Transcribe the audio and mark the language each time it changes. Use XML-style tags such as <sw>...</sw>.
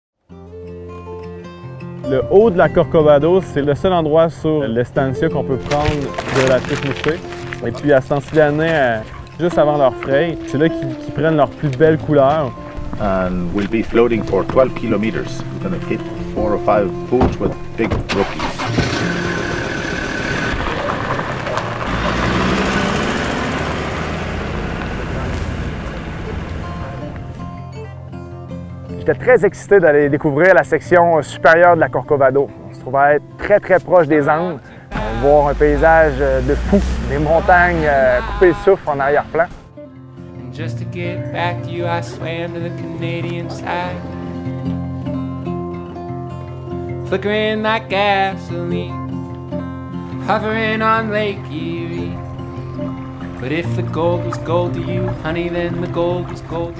<fr>Le haut de la Corcovado, c'est le seul endroit sur l'Estancia qu'on peut prendre de la truite mouchetée. Et puis, à Santillane, juste avant leur fraye, c'est là qu'ils prennent leur plus belle couleur.</fr> <en>And we'll be floating for 12 kilometers. We're gonna hit 4 or 5 pools with big rookies.</en> <fr>J'étais très excité d'aller découvrir la section supérieure de la Corcovado. On se trouvait être très très proche des Andes. On va voir un paysage de fou, des montagnes coupées de souffle en arrière-plan.</fr> <en>Just to get back to you, I swam to the Canadian side. Flickering like gasoline, hovering on Lake Erie. But if the gold was gold to you, honey, then the gold was gold.</en>